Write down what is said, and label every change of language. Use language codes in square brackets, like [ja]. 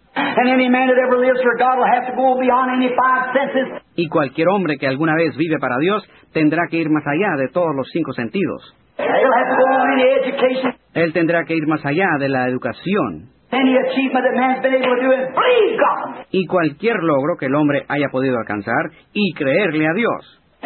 [en] And any man that ever lives for God will have to go beyond any five senses. [es] Y cualquier hombre que alguna vez vive para Dios tendrá que ir más allá de todos los cinco sentidos. [en] He'll have to go beyond any education. [es] Él tendrá que ir más allá de la educación. [en] Any achievement that man's been able to do is believe God. [es] Y cualquier logro que el hombre haya podido alcanzar y creerle a Dios.